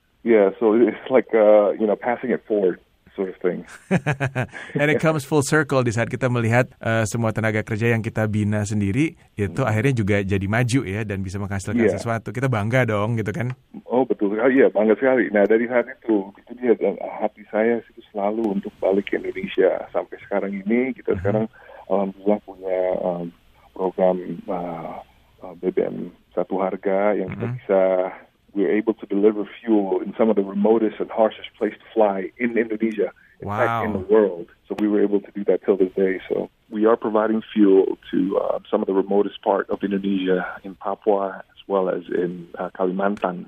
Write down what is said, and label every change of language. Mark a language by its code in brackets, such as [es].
[en] Yeah, so it's like you know, passing it forward sort of thing. And it comes full circle [id] di saat kita melihat semua tenaga kerja yang kita bina sendiri itu akhirnya juga jadi maju, ya, dan bisa menghasilkan sesuatu. Kita bangga dong, gitu kan? Oh, betul sekali. Iya, bangga sekali. Nah, dari saat itu dia, dan hati saya itu selalu untuk balik ke Indonesia. Sampai sekarang ini kita sekarang alhamdulillah punya program BBM satu harga yang kita bisa. [en] We're able to deliver fuel in some of the remotest and harshest place to fly in Indonesia, in fact, in the world. So we were able to do that till this day. So we are providing fuel to some of the remotest part of Indonesia, in Papua as well as in Kalimantan.